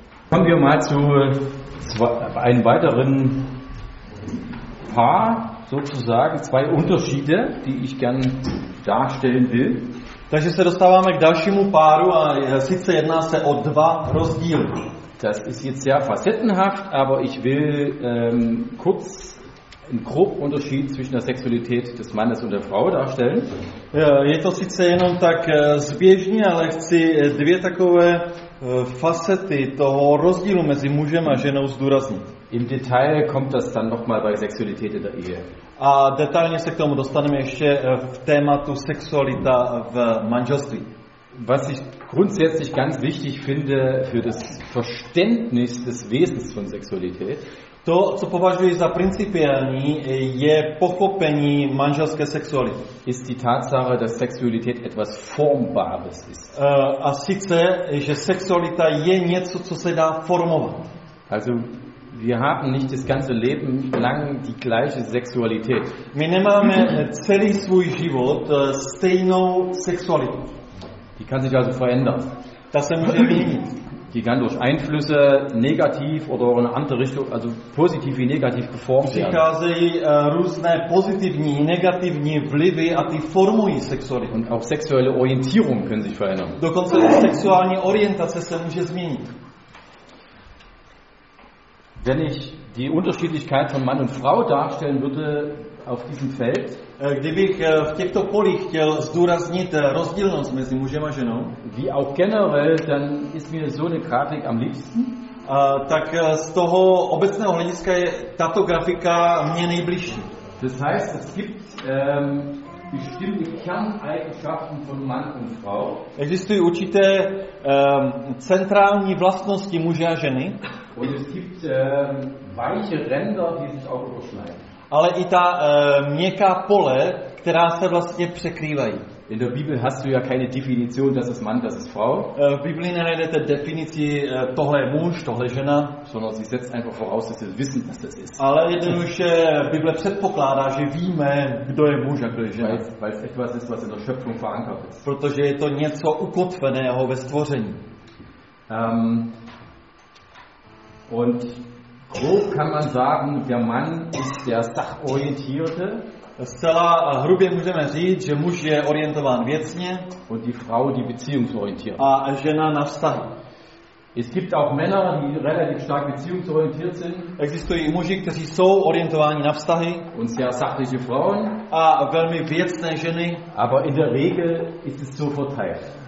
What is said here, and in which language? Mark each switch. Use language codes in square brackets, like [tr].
[de] Kommen wir mal zu einem weiteren Paar, sozusagen zwei Unterschiede, die ich gerne darstellen will. [cs] Takže se dostáváme k dalšímu páru a sice jedná se o dva rozdíly. [de] Das ist jetzt sehr facettenhaft, aber ich will kurz einen groben Unterschied zwischen der Sexualität des Mannes und der Frau darstellen. [cs] Je to sice jenom tak zběžně, ale chci dvě takové facety toho rozdílu mezi mužem a ženou zdůraznit. [de] Im Detail kommt das dann nochmal bei Sexualität in der Ehe. [cs] A detailně se k tomu dostaneme ještě v tématu sexualita v manželství. [de] Was ich grundsätzlich ganz wichtig finde für das Verständnis des Wesens von Sexualität. [cs] To, co považuji za principiální, je pochopení manželské sexuality. [de] Ist die Tatsache, dass Sexualität etwas Formbares ist. [cs] A sice, že sexualita je něco, co se dá formovat. [de] Also, wir haben nicht das ganze Leben lang die gleiche Sexualität. [cs] My nemáme celý svůj život stejnou sexualitu. [de] Die kann sich also verändern. [cs] Das se může měnit. [de] Die kann durch Einflüsse negativ oder in andere Richtung, also positiv wie negativ geformt werden. [cs] Přicházejí různé pozitivní i negativní vlivy a ty formují sexualitu. [de] Und auch sexuelle Orientierung können sich verändern. [cs] Dokonce i sexuální orientace se může změnit. [de] Wenn ich die Unterschiedlichkeit von Mann und Frau darstellen würde auf diesem Feld, [cs] kdybych v těchto polích chtěl zdůraznit rozdílnost mezi mužem a ženou, [de] wie auch generell, dann ist mir so eine Grafik am liebsten. [cs] Tak z toho obecného hlediska je tato grafika mě nejbližší. [de] Das heißt, es gibt bestimmte Kerneigenschaften von Mann und Frau. [cs] Existují určité centrální vlastnosti muže a ženy. [de] Und es gibt weiche Ränder, die sich auch überschneiden. [cs] Ale i ta měkká pole, která se vlastně překrývají. [de] In der Bibel hast du ja keine Definition, das ist Mann, das ist Frau. [cs] V Biblii nenajdete definici, tohle je muž, tohle je žena. [de] Sondern sie setzt einfach voraus, dass wir wissen, was das ist. [cs] Ale jednoduše Bible předpokládá, že víme, kdo je muž a kdo je žena. [de] Weil es etwas ist, was in der Schöpfung verankert ist. [cs] Protože je to něco ukotveného ve stvoření. [de] Und grob kann man sagen, der Mann ist der sachorientierte. [cs] Zcela hrubě můžeme říct, že muž je orientován věcně. [de] Und die Frau die beziehungsorientierte. [cs] A žena na vztahy. [de] Es gibt auch Männer, die relativ stark beziehungsorientiert sind. [cs] Existují muži, kteří jsou orientováni na vztahy. [de] Und sehr sachliche Frauen. [cs] A velmi věcné ženy. [de] Aber in der Regel ist es so verteilt.